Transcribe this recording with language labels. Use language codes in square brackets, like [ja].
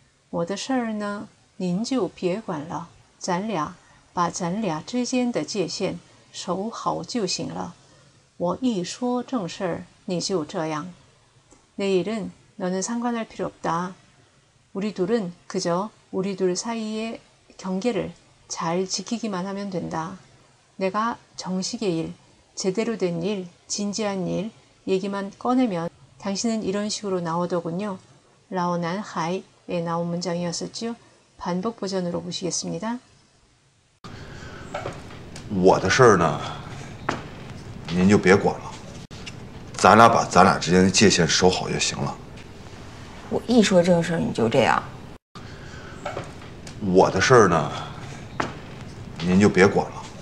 [zh] 我的事儿呢，您就别管了。咱俩把咱俩之间的界限守好就行了。我一说正事儿，你就这样。 [ko] 내 일은 너는 상관할 필요 없다. 우리 둘은 그저 우리 둘 사이의 경계를 잘 지키기만 하면 된다. 내가 정식의 일, 제대로 된 일, 진지한 일 얘기만 꺼내면 당신은 이런 식으로 나오더군요. 라오난 하이에 나온 문장이었었죠. 반복 버전으로 보시겠습니다. [zh] 我的事儿呢，您就别管了。咱俩把咱俩之间的界限守好就行了。我一说正事儿，你就这样。我的事儿呢，您就别管了。